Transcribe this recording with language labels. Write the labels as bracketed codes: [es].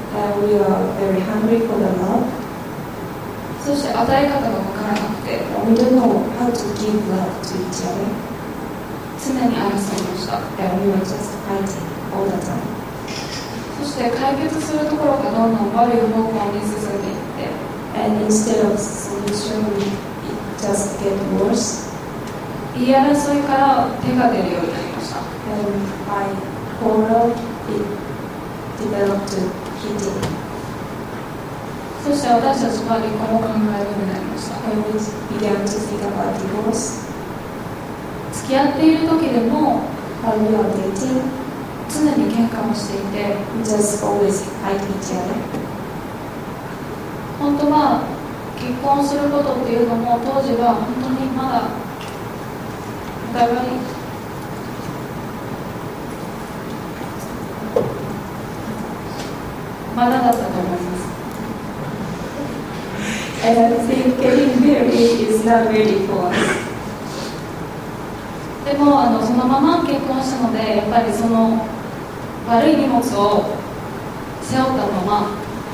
[en] And we are very hungry for the love [ja] そして与え方が分からなくて [en] And we don't know how to give love to each other [ja] 常に争いました [en] And we are just fighting all the time [ja] そして解決するところがどんどん悪い方向に進んでいって [en] And instead of solution, it just get worse. [ja] 言い争いから手が出るようになりました。 [en] And by quarrel, it developed to hitting. [ja] そして私たちは離婚を考えるようになりました。 [en] And we began to think about divorce. [ja] 付き合っている時でも、 [en] While we are dating, [ja] 常に喧嘩をしていて、 [en] We just always fight each other. [ja] 本当は結婚することっていうのも当時は本当にまだお互い まだだったと思います。 [en] And I think getting married is not really for us. [ja] でもそのまま結婚したのでやっぱりその悪い荷物を背負ったまま。